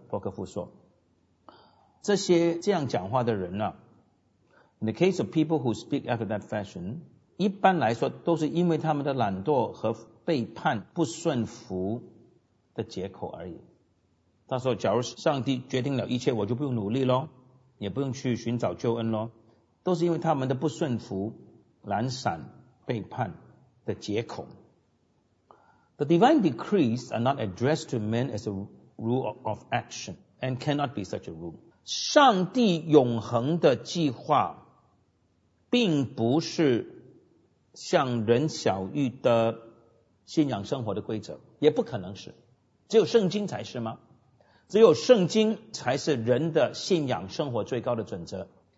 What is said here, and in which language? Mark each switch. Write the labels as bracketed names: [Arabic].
[Chinese] 伯克夫说，这些这样讲话的人呢、啊、 In the case of people who speak after that fashion, 一般来说都是因为他们的懒惰和背叛不顺服的借口而已。他说假如上帝决定了一切，我就不用努力咯，也不用去寻找救恩咯，都是因为他们的不顺服、懒散、背叛的借口。 [English] The divine decrees are not addressed to men as a rule of action and cannot be such a rule. [Chinese] 上帝永恒的计划并不是像人小玉的信仰生活的规则，也不可能是，只有圣经才是吗？只有圣经才是人的信仰生活最高的准则。